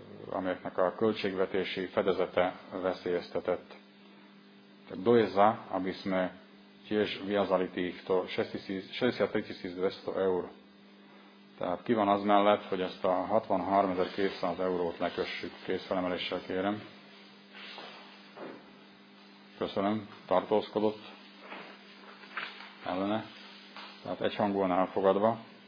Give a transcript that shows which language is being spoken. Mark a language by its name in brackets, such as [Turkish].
[Hungarian] amelyeknek a költségvetési fedezete veszélyeztetett. [Slovak] Dojza, aby sme tiež viazali týchto 63 200 €. [Hungarian] Tehát ki van az mellett, hogy ezt a 63 200 € lekössük. Kézfelemeléssel kérem. Köszönöm. Tartózkodott. Ellene. Tehát egyhangúan elfogadva.